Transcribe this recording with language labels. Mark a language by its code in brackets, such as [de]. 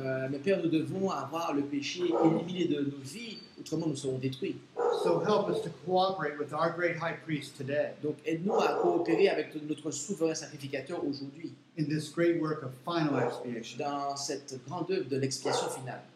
[fr] Mais Père, nous devons avoir le péché éliminé de nos vies, autrement nous serons détruits. [en] So help us to cooperate with our great high priest today. [fr] Donc aide-nous à coopérer avec notre souverain sacrificateur aujourd'hui. [en] In this great work of final expiation. [fr] Dans cette grande œuvre de l'expiation finale.